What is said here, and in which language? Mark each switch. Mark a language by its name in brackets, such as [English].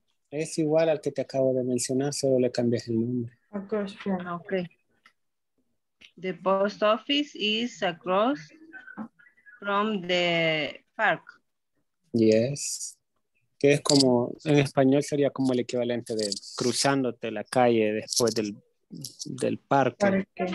[Spanish] Es igual al que te acabo de mencionar, solo le cambias el nombre. [English] Across from. Okay. The post office is across from the park. Yes. [Spanish] Que es como, en español sería como el equivalente de cruzándote la calle después del parque.